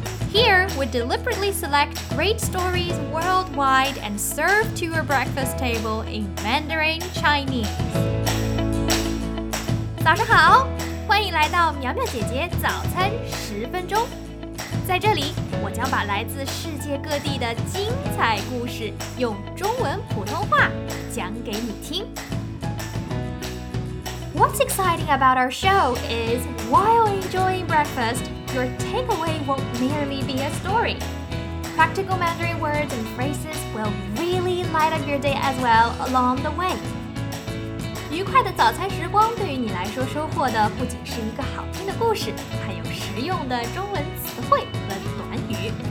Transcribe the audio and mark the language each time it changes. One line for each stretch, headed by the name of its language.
English: Here, we deliberately select great stories worldwide and serve to your breakfast table in Mandarin Chinese.
Chinese: 早上好，欢迎来到苗苗姐姐早餐十分钟。在这里，我将把来自世界各地的精彩故事用中文普通话讲给你听。
English: What's exciting about our show is, while enjoying breakfast, your takeaway won't merely be a story. Practical Mandarin words and phrases will really light up your day as well along the way.
Chinese: 愉快的早餐时光对于你来说收获的不仅是一个好听的故事，还有实用的中文词汇和短语。